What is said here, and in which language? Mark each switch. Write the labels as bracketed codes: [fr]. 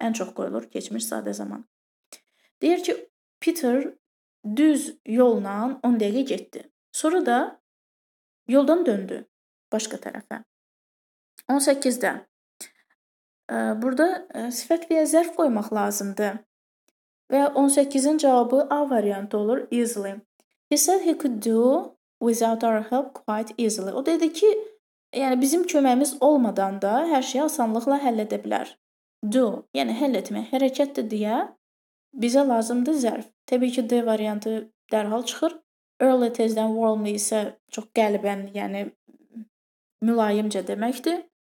[az] Ən çox qoyulur keçmiş sadə zaman. Deyir ki, Peter düz yolla 10 dəqiqə getdi. Sonra da yoldan döndü başqa tərəfə. 18-də. Burada sifət və ya zərf qoymaq lazımdır. Və 18-in cavabı A variantı olur, easily. [en] He said he could do without our help quite easily. [az] O dedi ki, yəni bizim köməyimiz olmadan da hər şeyi asanlıqla həll edə bilər. Do, yəni həll etmək, hərəkətdir deyə bizə lazımdır zərf. Təbii ki, D variantı dərhal çıxır. Early tezdən warmly isə çox qəlbən, yəni mülayimcə deməkdir.